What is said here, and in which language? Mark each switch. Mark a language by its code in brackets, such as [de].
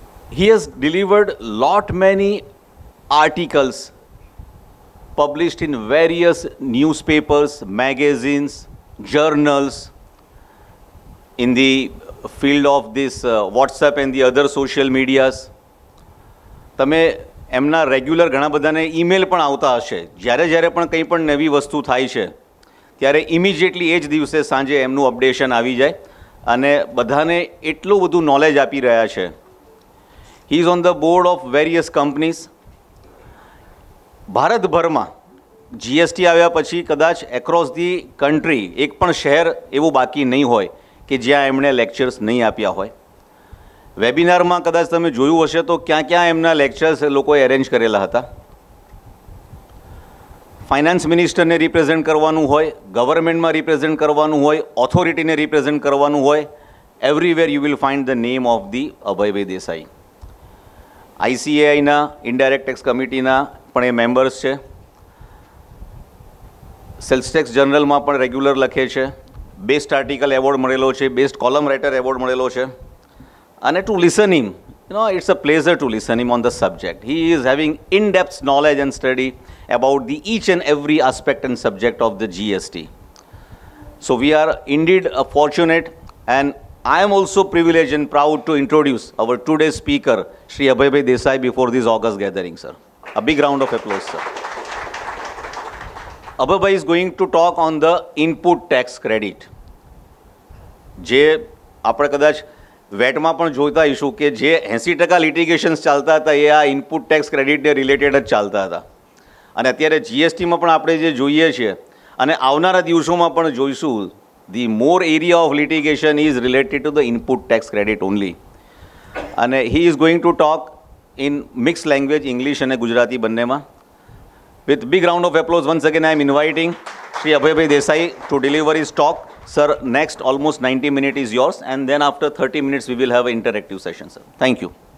[en] He has delivered lot many articles published in various newspapers, magazines, journals in the field of this WhatsApp and the other social medias. [gu] તમે એમના regular ઘણા બધાને email પણ આવતા હશે. જ્યારે જ્યારે પણ કંઈ પણ નવી વસ્તુ થાય છે ત્યારે ઇમિડિયેટલી એ જ દિવસે સાંજે એમનું અપડેશન આવી જાય અને બધાને એટલું બધું નોલેજ આપી રહ્યા છે. [en] He is on the board of various companies. [gu] ભારતભરમાં જીએસટી આવ્યા પછી કદાચ [en] across the country [gu] એક પણ શહેર એવું બાકી નહીં હોય કે જ્યાં એમણે લેક્ચર્સ નહીં આપ્યા હોય. વેબિનારમાં કદાચ તમે જોયું હશે તો ક્યાં ક્યાં એમના લેક્ચર્સ લોકોએ એરેન્જ કરેલા હતા. ફાઇનાન્સ મિનિસ્ટરને રિપ્રેઝેન્ટ કરવાનું હોય, ગવર્મેન્ટમાં રિપ્રેઝેન્ટ કરવાનું હોય, ઓથોરિટીને રિપ્રેઝેન્ટ કરવાનું હોય, [en] everywhere you will find the name of the [gu] Abhaybhai Desai. આઈસીએઆઈના indirect tax કમિટીના પણ એ મેમ્બર્સ છે. સેલ્સ ટેક્સ જનરલમાં પણ રેગ્યુલર લખે છે. બેસ્ટ આર્ટિકલ એવોર્ડ મળેલો છે, બેસ્ટ કોલમ રાઇટર એવોર્ડ મળેલો છે. [en] And to listen him, you know, it's a pleasure to listen him on the subject. He is having in-depth knowledge and study about the each and every aspect and subject of the GST. So we are indeed fortunate, and I am also privileged and proud to introduce our today's speaker, Shri Abhay Bhai Desai, before this August gathering, sir. A big round of applause, sir. Abhay Bhai is going to talk on the input tax credit. [gu] Je apne kadach વેટમાં પણ જોતા issue કે જે 80% લિટિગેશન્સ ચાલતા હતા એ આ input tax ક્રેડિટને related જ ચાલતા હતા. અને અત્યારે જીએસટીમાં પણ આપણે જે જોઈએ છીએ અને આવનારા દિવસોમાં પણ જોઈશું, [en] The more area of litigation is related to the input tax credit only. [gu] અને [en] he is going to talk in mix language, [gu] English અને ગુજરાતી બંનેમાં. [en] With big round of applause, once again, I am inviting Shri Abhay Desai to deliver his talk. Sir, next almost 90 minutes is yours, and then after 30 minutes, we will have an interactive session, sir. Thank you.